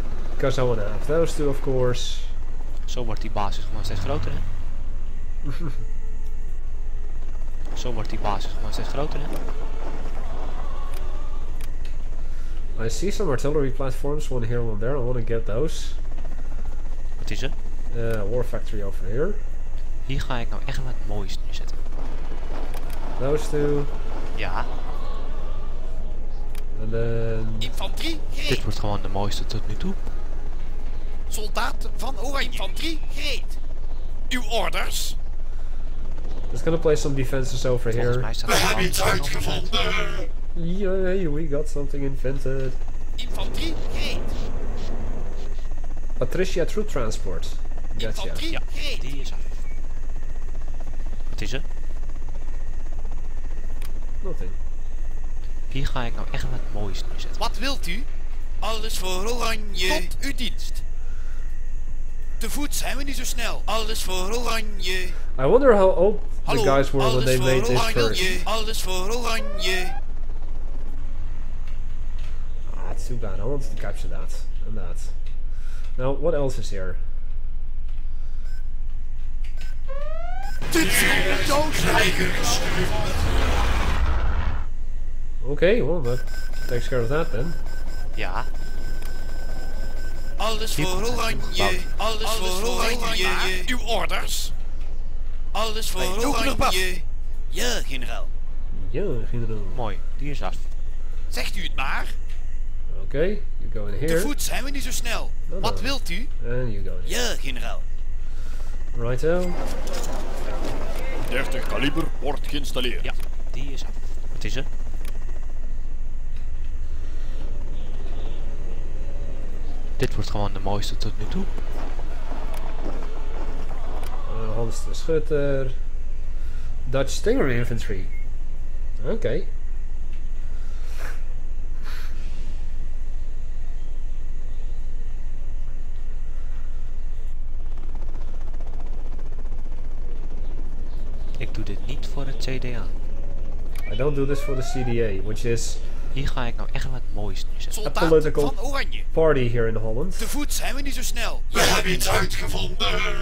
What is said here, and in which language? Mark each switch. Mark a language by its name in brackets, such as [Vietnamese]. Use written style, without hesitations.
[English] Because I want to have those two, of course. [Dutch] Zo wordt die basis gewoon steeds groter, hè? Zo wordt die basis gewoon steeds groter, hè? [English] I see some artillery platforms, one here, one there. I want to get those. [Dutch] Wat is het? [English] War factory over here. [Dutch] Hier ga ik nou echt wat moois nu zetten. [English] Those two. [Dutch] Ja. En dan... Infanterie, gereed. Dit wordt gewoon de mooiste tot nu toe. Soldaat van Oranje. Infanterie, gereed. Uw orders. [English] Let's gonna play some defenses over here. [Dutch] We hebben iets uitgevonden. [English] Yay, we got something invented. [Dutch] Infanterie, gereed. [English] Patricia True Transport. Gotcha. [Dutch] Infanterie, ja, gereed. Die is af. Wat is er? [English] Nothing. [Dutch] Hier ga ik nou echt wat moois neerzetten. Wat wilt u? Alles voor Oranje. Tot uw dienst. Te voet zijn we niet zo snel. Alles voor Oranje. [English] I wonder how old the guys were when they made this first. [Dutch] Alles voor Oranje. [English] Ah, it's too bad. I wanted to capture that. And that. Now, what else is here? [Dutch] Dit zijn de krijgers. [English] Okay, well, that takes care of that then. [Dutch] Ja. Alles voor Oranje, alles voor Oranje. Uw orders. Alles voor Oranje. Ja, generaal. Ja, generaal. Mooi, die is af. Zegt u het maar. [English] Okay, you go in here. [Dutch] Te voet zijn we niet zo snel. [English] No, [Dutch] wat [English] no. [Dutch] Wilt u? [English] And you go in here. [Dutch] Ja, generaal. [English] Righto. [Dutch] 30 kaliber wordt geïnstalleerd. Ja, die is af. Wat is het? Dit wordt gewoon de mooiste tot nu toe. Hans de Schutter. [English] Dutch Stinger Infantry. Okay. [Dutch] Ik doe dit niet voor het CDA. [English] I don't do this for the CDA, which is... [Dutch] Hier ga ik nou echt wat moois nu zetten. [English] A political party here in Holland. [Dutch] Te voet zijn we niet zo snel. We hebben iets uitgevonden.